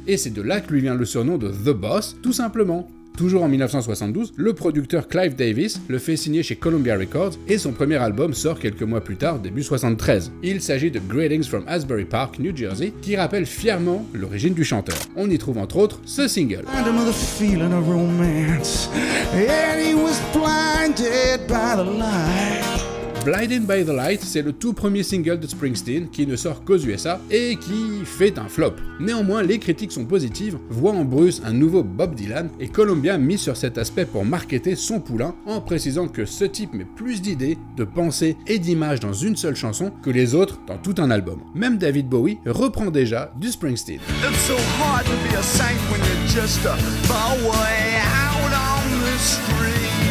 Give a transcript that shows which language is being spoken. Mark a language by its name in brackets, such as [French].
[French] Et c'est de là que lui vient le surnom de The Boss, tout simplement. Toujours en 1972, le producteur Clive Davis le fait signer chez Columbia Records et son premier album sort quelques mois plus tard, début 73. Il s'agit de Greetings from Asbury Park, New Jersey, qui rappelle fièrement l'origine du chanteur. On y trouve entre autres ce single. [English] Find another feeling of romance, and he was blinded by the light. [French] Blinded by the Light, c'est le tout premier single de Springsteen qui ne sort qu'aux USA et qui fait un flop. Néanmoins, les critiques sont positives, voient en Bruce un nouveau Bob Dylan et Columbia mise sur cet aspect pour marketer son poulain en précisant que ce type met plus d'idées, de pensées et d'images dans une seule chanson que les autres dans tout un album. Même David Bowie reprend déjà du Springsteen. [English] It's so hard to be a saint when you're just a far way out on the street.